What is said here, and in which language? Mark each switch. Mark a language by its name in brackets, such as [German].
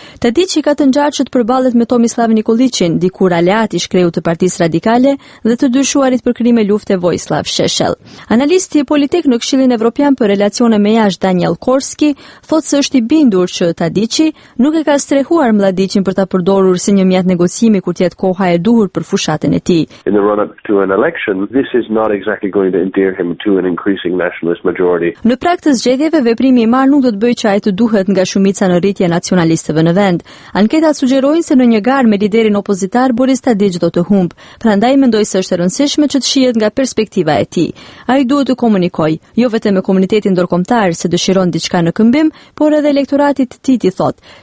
[Albanian] Tadiçi ka të ngjarë që të përballet me Tomislav Nikolićin, dikur aleat i shkreut të Partisë Radikale dhe të dyshuarit për krime lufte Vojislav Šešelj. Analist i politik në Këshillin Evropian për relacione me jashtë Daniel Korski thotë se është i bindur që Tadiçi nuk e ka strehuar Mladićin për ta përdorur si një mjet negociimi kur të jetë koha e duhur për fushatën e tij. [English] In the run-up to an election, this is not exactly going to endear him to an increasing nationalist majority. [Albanian] Në praktikë zgjedhjeve veprimi i marr nuk do të bëjë që ai të duhet nga shumica në rritje nacionalisteve në vend. Anketa sugjerojnë se në një garë me liderin opozitar Boris Tadić do të humb, prandaj mendoj se është e rëndësishme që të shihet nga perspektiva e tij. Ai duhet komunikoj, jo vetëm me komunitetin ndërkombëtar se dëshiron diçka në këmbim, por edhe elektoratit të tij, thotë.